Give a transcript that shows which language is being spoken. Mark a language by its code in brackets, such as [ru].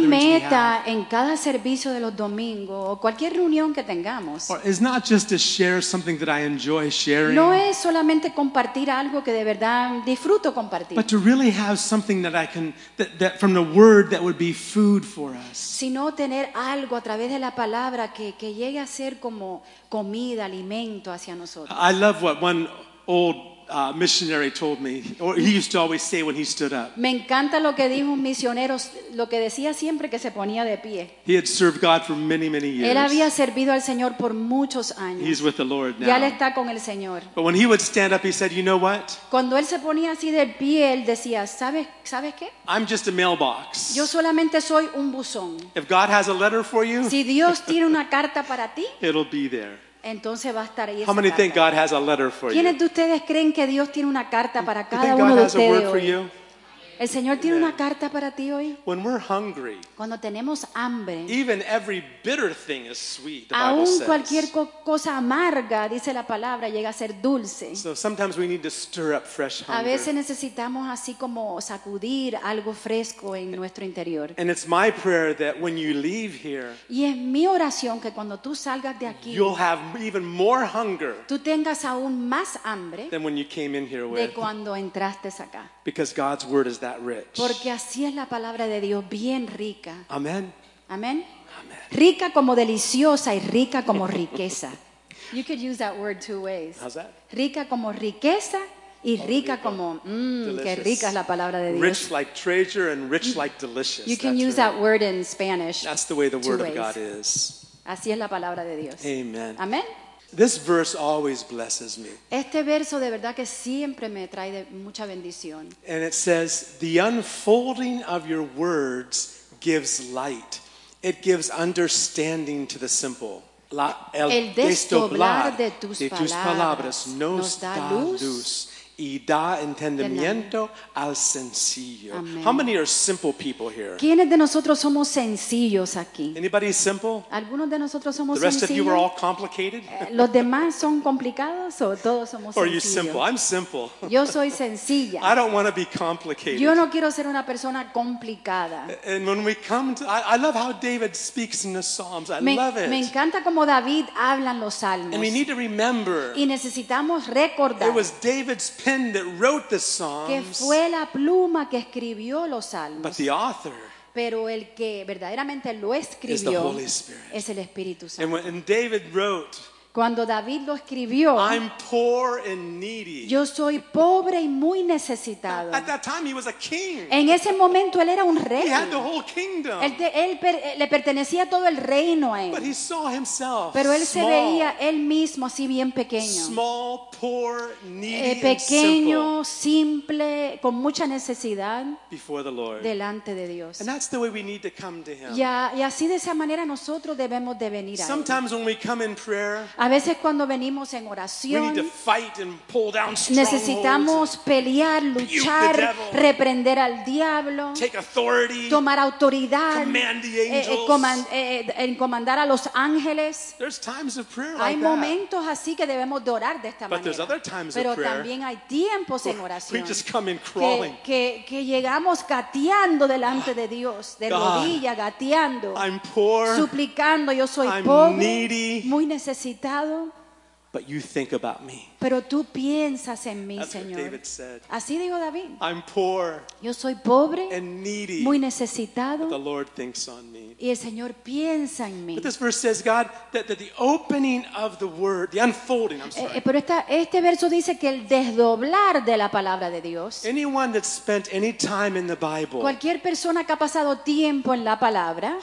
[es] Mi meta en cada servicio de los domingos o cualquier reunión que tengamos. [en] It's not just to share something that I enjoy sharing. [es] No es solamente compartir algo que de verdad disfruto compartir. [en] But to really have something that I can that from the word that would be food for us. [es] Sino tener algo a través de la palabra que llegue a ser como comida, alimento hacia nosotros. [en] I love what one old missionary told me, or he used to always say when he stood up. [es] Me encanta lo que dijo un misionero, lo que decía siempre que se ponía de pie. [en] He had served God for many, many years. [es] Él había servido al Señor por muchos años. [en] He's with the Lord now. [es] Ya él está con el Señor. [en] But when he would stand up, he said, "You know what?" [es] Cuando él se ponía así de pie, él decía, ¿sabes qué? [en] I'm just a mailbox. [es] Yo solamente soy un buzón. [en] If God has a letter for you, [es] si Dios tiene una carta para ti, [en] it'll be there. [es] Entonces va a estar ahí. [en] How many [es] carta. [en] Think God has a letter for you? [es] ¿Quiénes de ustedes creen que Dios tiene una carta para cada uno de ustedes hoy? ¿El Señor tiene una carta para ti hoy? [en] When we're hungry, [es] cuando tenemos hambre, [en] even every bitter thing is sweet, the Bible says. [es] Aún cualquier cosa amarga, dice la palabra, llega a ser dulce. [en] So sometimes we need to stir up fresh hunger. [es] A veces necesitamos así como sacudir algo fresco en nuestro interior. [en] And it's my prayer that when you leave here, [es] y es mi oración que cuando tú salgas de aquí, [en] you'll have even more hunger, [es] tú tengas aún más hambre [en] than when you came in here with. [es] De cuando entraste acá. [en] Because God's word is that rich. [es] Porque así es la palabra de Dios, bien rica. Amen. Amen. Amen. Rica como deliciosa y rica como riqueza. [en] You could use that word two ways. How's that? [es] Rica como riqueza y rica como qué rica es la palabra de Dios. [en] Rich like treasure and rich like delicious. You can use that word in Spanish. That's the way the word of God is. [es] Así es la palabra de Dios. Amen. Amen. [en] This verse always blesses me. [es] Este verso de verdad que siempre me trae de mucha bendición. [en] And it says, "The unfolding of your words gives light. It gives understanding to the simple." [es] El desdoblar de tus palabras nos da luz y da entendimiento al sencillo. Amen. [en] How many are simple people here? [es] ¿Quiénes de nosotros somos sencillos aquí? [en] Anybody simple? [es] ¿Algunos de nosotros somos sencillos? [en] The rest of you are all complicated? [es] ¿Los demás son complicados o todos somos sencillos? [en] Or are you simple? I'm simple. [es] Yo soy sencilla. [en] I don't want to be complicated. [es] Yo no quiero ser una persona complicada. [en] And when we come to, I love how David speaks in the Psalms. I love it. [es] Me encanta como David habla en los Salmos. [en] And we need to remember. [es] Y necesitamos recordar. [en] It was David's pen that wrote the Psalms, [es] que fue la pluma que escribió los Salmos, [en] but the author, [es] pero el que verdaderamente lo escribió, [en] is the Holy Spirit. [es] Es el Espíritu Santo. [en] And when David wrote, [es] cuando David lo escribió, [en] I'm poor and needy. [es] Yo soy pobre y muy necesitado. [en] At that time he was a king. [es] En ese momento él era un rey. [en] He had the whole kingdom. [es] Le pertenecía todo el reino a él. [en] But he saw himself, [es] pero él [en] small, [es] se veía él mismo así bien pequeño. [en] Small, poor, needy, [es] pequeño, [en] and simple, [es] simple, con mucha necesidad [en] before the Lord, [es] delante de Dios. [en] And that's the way we need to come to him. [es] Y así de esa manera nosotros debemos de venir a él. [en] Sometimes when we come in prayer, [es] a veces cuando venimos en oración, [en] we need to fight and pull down strongholds, [es] necesitamos pelear, luchar, reprender al diablo, [en] take authority, [es] tomar autoridad, [en] command the angels, [es] comandar a los ángeles. [en] There's times of prayer like [es] hay momentos [en] that. [es] Así que debemos de orar de esta [en] but [es] manera. [en] Other times [es] pero [en] of prayer, [es] también hay tiempos en oración [en] we just come in crawling. [es] Que llegamos gateando delante de Dios, de [en] God, [es] rodilla, gateando, [en] I'm poor, [es] suplicando, yo soy [en] I'm [es] pobre, [en] needy, [es] muy necesitado. [en] But you think about me. [es] Pero tú piensas en mí, [en] That's [es] Señor. [en] What David said. [es] Así dijo David. [en] I'm poor. [es] Yo soy pobre. [en] And needy. [es] Muy necesitado. [en] But the Lord thinks on me. [es] Y el Señor piensa en mí. [en] But this verse says, God, that the opening of the word, the unfolding. I'm sorry. [es] Pero este verso dice que el desdoblar de la palabra de Dios. [en] Anyone that spent any time in the Bible. [es] Cualquier persona que ha pasado tiempo en la palabra.